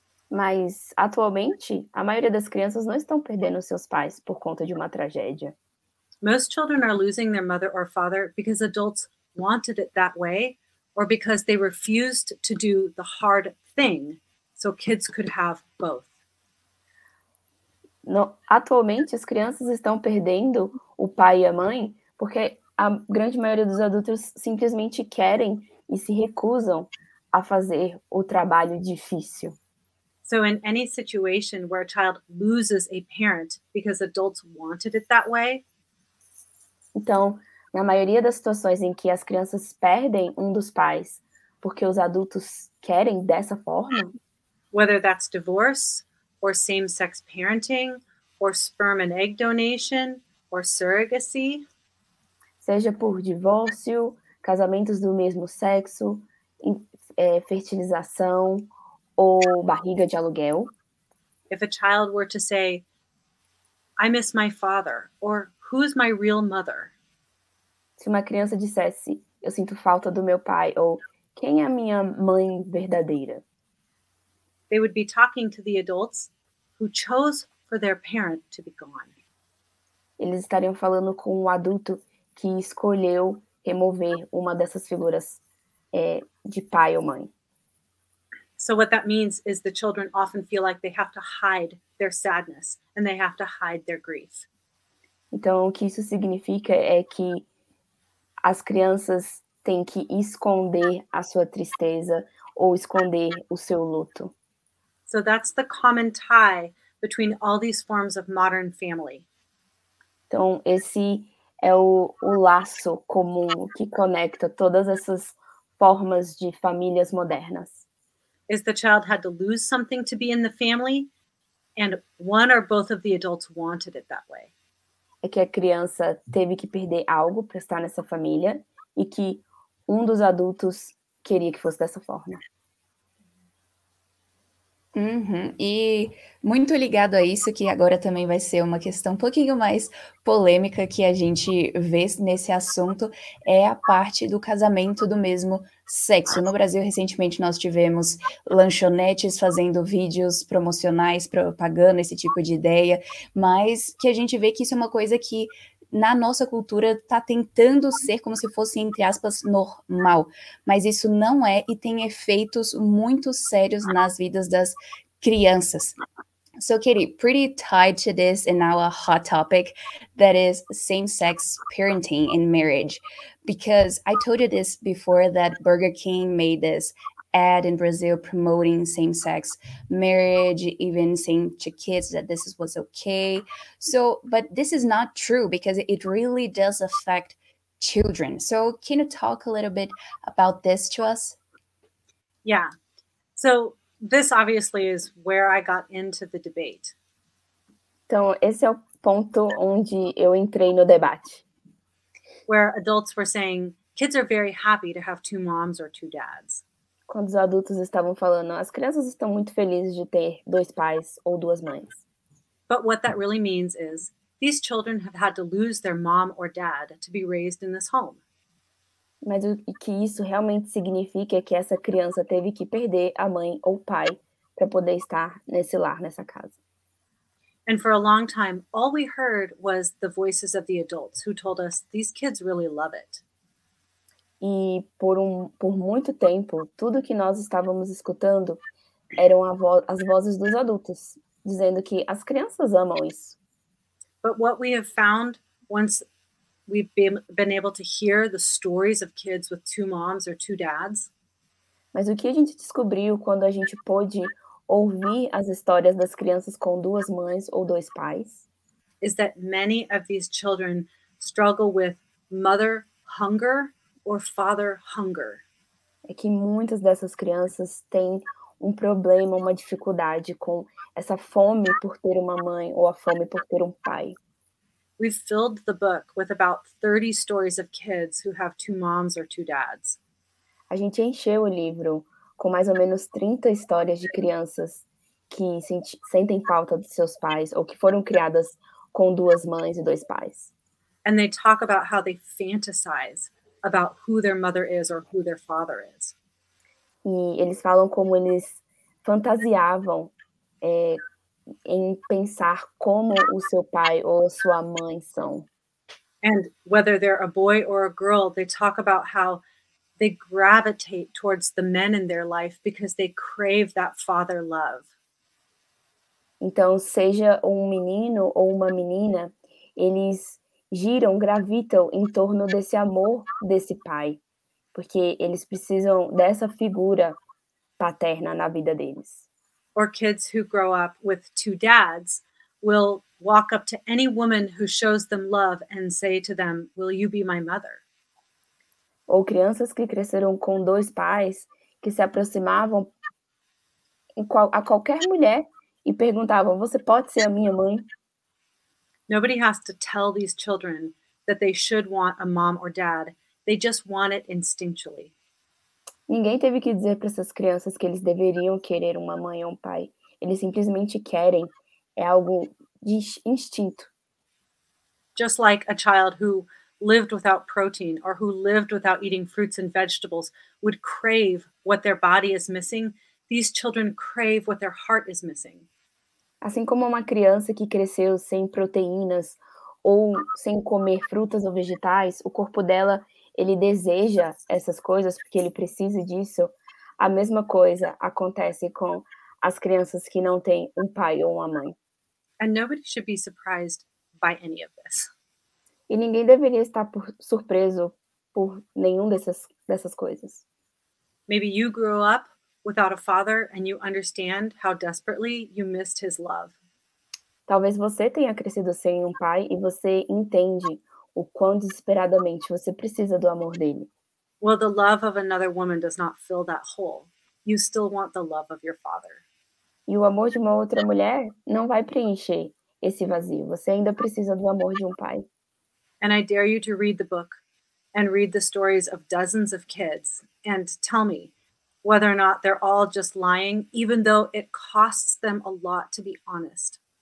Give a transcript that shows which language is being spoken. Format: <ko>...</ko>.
<pt>Mas atualmente, a maioria das crianças não estão perdendo seus pais por conta de uma tragédia.</pt> <en>Most children are losing their mother or father because adults wanted it that way, or because they refused to do the hard thing, so kids could have both.</en> <pt>No, atualmente, as crianças estão perdendo o pai e a mãe porque a grande maioria dos adultos simplesmente querem e se recusam a fazer o trabalho difícil.</pt> <en>So in any situation where a child loses a parent because adults wanted it that way,</en> <pt>então, na maioria das situações em que as crianças perdem um dos pais porque os adultos querem dessa forma,</pt> <en>whether that's divorce, or same-sex parenting, or sperm and egg donation, or surrogacy,</en> <pt>seja por divórcio, casamentos do mesmo sexo, fertilização ou barriga de aluguel.</pt> <en>If a child were to say, I miss my father, or who's my real mother?</en> <pt>Se uma criança dissesse, eu sinto falta do meu pai, ou quem é a minha mãe verdadeira?</pt> <en>They would be talking to the adults who chose for their parent to be gone.</en> <pt>Eles estariam falando com um adulto que escolheu remover uma dessas figuras de pai ou mãe.</pt> <en>So what that means is the children often feel like they have to hide their sadness and they have to hide their grief.</en> <pt>Então, o que isso significa é que as crianças têm que esconder a sua tristeza ou esconder o seu luto.</pt> <en>So that's the common tie between all these forms of modern family.</en> <pt>Então, esse é o laço comum que conecta todas essas formas de famílias modernas.</pt> <en>Is the child had to lose something to be in the family, and one or both of the adults wanted it that way.</en> <pt>É que a criança teve que perder algo para estar nessa família e que um dos adultos queria que fosse dessa forma. Uhum. E muito ligado a isso, que agora também vai ser uma questão um pouquinho mais polêmica que a gente vê nesse assunto, é a parte do casamento do mesmo sexo. No Brasil, recentemente, nós tivemos lanchonetes fazendo vídeos promocionais, propagando esse tipo de ideia, mas que a gente vê que isso é uma coisa que, na nossa cultura, está tentando ser como se fosse, entre aspas, normal. Mas isso não é e tem efeitos muito sérios nas vidas das crianças.</pt> <en>So, Katie, pretty tied to this in our hot topic, that is same-sex parenting in marriage. Because I told you this before, that Burger King made this ad in Brazil promoting same-sex marriage, even saying to kids that this was okay. So, but this is not true because it really does affect children. So can you talk a little bit about this to us? Yeah. So this obviously is where I got into the debate.</en> <pt>Então, esse é o ponto onde eu entrei no debate.</pt> <en>Where adults were saying, kids are very happy to have two moms or two dads.</en> <pt>Quando os adultos estavam falando, as crianças estão muito felizes de ter dois pais ou duas mães.</pt> <en>But what that really means is, these children have had to lose their mom or dad to be raised in this home.</en> <pt>Mas o que isso realmente significa é que essa criança teve que perder a mãe ou o pai para poder estar nesse lar, nessa casa.</pt> <en>And for a long time, all we heard was the voices of the adults who told us, these kids really love it.</en> <pt>E por muito tempo, tudo que nós estávamos escutando eram as vozes dos adultos, dizendo que as crianças amam isso.</pt> <en>But what we have found, once we've been able to hear the stories of kids with two moms or two dads.</en> <pt>Mas o que a gente descobriu quando a gente pôde ouvir as histórias das crianças com duas mães ou dois pais?</pt> <en>Is that many of these children struggle with mother hunger or father hunger.</en> <pt>É que muitas dessas crianças têm um problema, uma dificuldade com essa fome por ter uma mãe ou a fome por ter um pai.</pt> <en>We've filled the book with about 30 stories of kids who have two moms or two dads.</en> <pt>A gente encheu o livro com mais ou menos 30 histórias de crianças que sentem falta de seus pais ou que foram criadas com duas mães e dois pais.</pt> <en>And they talk about how they fantasize about who their mother is or who their father is.</en> <pt>E eles falam como eles fantasiavam em pensar como o seu pai ou sua mãe são.</pt> <en>And whether they're a boy or a girl, they talk about how they gravitate towards the men in their life because they crave that father love.</en> <pt>Então, seja um menino ou uma menina, eles giram, gravitam em torno desse amor desse pai, porque eles precisam dessa figura paterna na vida deles.</pt> <en>Or kids who grow up with two dads will walk up to any woman who shows them love and say to them, "Will you be my mother?"</en> <pt>Ou crianças que cresceram com dois pais que se aproximavam a qualquer mulher e perguntavam, "Você pode ser a minha mãe?"</pt> <en>Nobody has to tell these children that they should want a mom or dad. They just want it instinctually.</en> <pt>Ninguém teve que dizer para essas crianças que eles deveriam querer uma mãe ou um pai. Eles simplesmente querem. É algo de instinto.</pt> <en>Just like a child who lived without protein or who lived without eating fruits and vegetables would crave what their body is missing, these children crave what their heart is missing.</en> <pt>Assim como uma criança que cresceu sem proteínas ou sem comer frutas ou vegetais, o corpo dela, ele deseja essas coisas porque ele precisa disso, a mesma coisa acontece com as crianças que não têm um pai ou uma mãe.</pt> <en>And nobody should be surprised by any of this.</en> <pt>E ninguém deveria estar surpreso por nenhum dessas coisas.</pt> <en>Maybe you grew up without a father and you understand how desperately you missed his love.</en> <pt>Talvez você tenha crescido sem um pai e você entende o quão desesperadamente você precisa do amor dele.</pt> <en>Well, the love of another woman does not fill that hole. You still want the love of your father.</en> <pt>E o amor de uma outra mulher não vai preencher esse vazio. Você ainda precisa do amor de um pai.</pt> <en>And I dare you to read the book and read the stories of dozens of kids and tell me whether or not they're all just lying, even though it costs them a lot to be honest.</en>